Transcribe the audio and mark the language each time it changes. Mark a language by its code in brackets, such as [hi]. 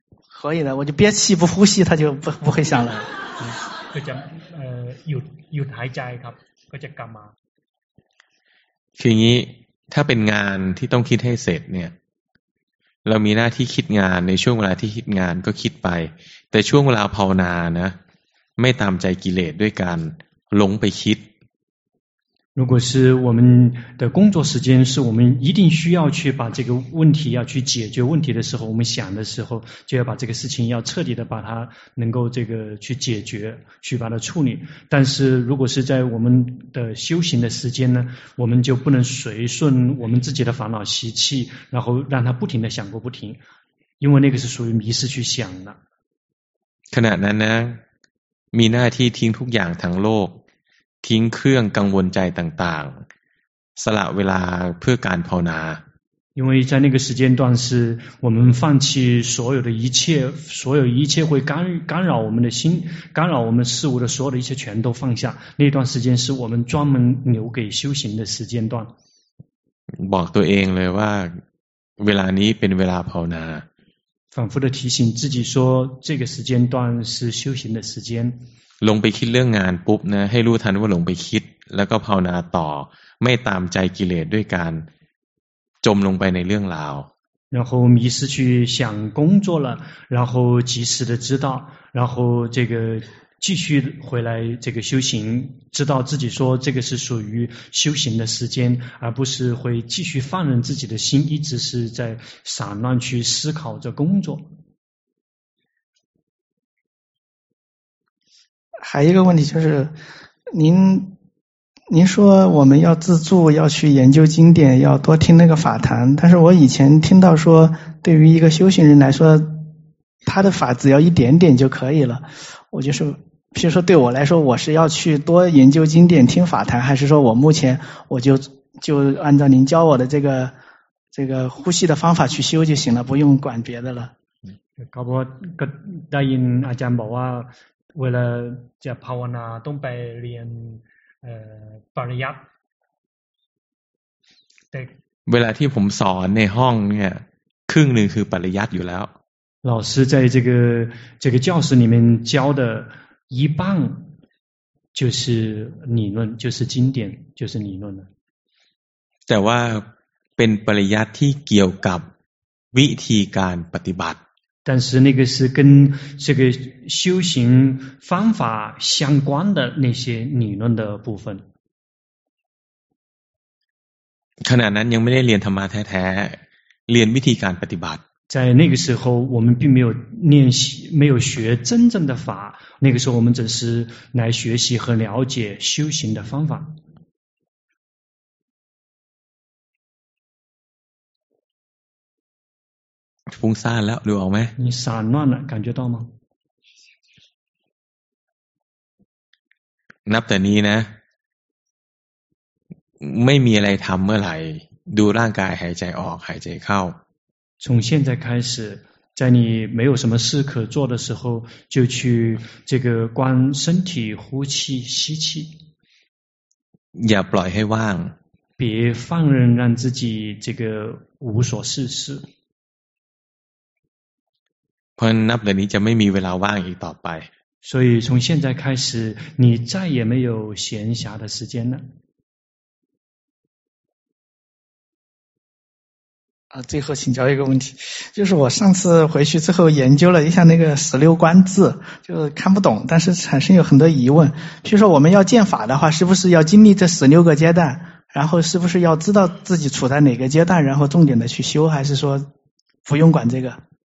[zh] 可以的我就憋气不呼吸他就不会想了 [th] ก็จะหยุดหายใจครับก็จะกลับมา คืออย่างนี้ถ้าเป็นงานที่ต้องคิดให้เสร็จเนี่ยเรามีหน้าที่คิดงานในช่วงเวลาที่คิดงานก็คิดไปแต่ช่วงเวลาภาวนานะไม่ตามใจกิเลสด้วยการลงไปคิด [zh] 如果是我们的工作时间是我们一定需要去把这个问题要去解决问题的时候我们想的时候就要把这个事情要彻底的把它能够这个去解决去把它处理但是如果是在我们的修行的时间呢我们就不能随顺我们自己的烦恼习气然后让它不停的想过不停因为那个是属于迷失去想的 [th] ขณะนั้นนะมีหน้าที่ทิ้งทุกอย่างทั้งโลกทิ้งเครื่องกังวลใจต่างๆสละเวลาเพื่อการภาวนา [zh] 因为在那个时间段是我们放弃所有的一切所有一切会干扰我们的心干扰我们事物的所有的一切全都放下那段时间是我们专门留给修行的时间段 [th] บอกตัวเองเลยว่าเวลานี้เป็นเวลาภาวนา [zh] 反复的提醒自己说这个时间段是修行的时间 [th] ลงไปคิดเรื่องงานปุ๊บนะให้รู้ทันว่าลงไปคิดแล้วก็ภาวนาต่อไม่ตามใจกิเลสด้วยการจมลงไปในเรื่องราว [zh] 然后迷失去想工作了然后及时的知道然后这个继续回来这个修行知道自己说这个是属于修行的时间而不是会继续放任自己的心一直是在散乱去思考着工作还有一个问题就是您说我们要自助，要去研究经典，要多听那个法坛，但是我以前听到说，对于一个修行人来说，他的法只要一点点就可以了。我就是譬如说对我来说，我是要去多研究经典听法坛，还是说我目前我就按照您教我的这个呼吸的方法去修就行了，不用管别的了。嗯，刚才答应阿江宝啊，为了叫帕瓦纳东北连ปริยัติ [th] เวลาที่ผมสอนในห้องเนี่ยครึ่งหนึ่งคือปริยัติอยู่แล้ว [zh] 老师在这个教室里面教的一半就是理论就是经典就是理论 [th] แต่ว่าเป็นปริยัติที่เกี่ยวกับวิธีการปฏิบัติ [zh] 但是那个是跟这个修行方法相关的那些理论的部分。 [th] ขณะนั้นยังไม่ได้เรียนธรรมะแท้ๆเรียนวิธีการปฏิบัติ [zh] 在那个时候我们并没有练习没有学真正的法那个时候我们只是来学习和了解修行的方法 [th] ฟุ้งซ่านแล้วดูออกไหม [zh] 你散乱了感觉到吗 [th] นับแต่นี้นะไม่มีอะไรทำเมื่อไหร่ดูร่างกายหายใจออกหายใจเข้า [zh] 从现在开始在你没有什么事可做的时候就去这个观身体呼气吸气 [th] อย่าปล่อยให้ว่าง [zh] 别放任让自己这个无所事事 [th] เพราะนับแต่นี้จะไม่มีเวลาว่างอีกต่อไป [zh] 所以从现在开始你再也没有闲暇的时间了最后请教一个问题就是我上次回去之后研究了一下那个十六观字就看不懂但是产生有很多疑问譬如说我们要见法的话是不是要经历这十六个阶段然后是不是要知道自己处在哪个阶段然后重点的去修还是说不用管这个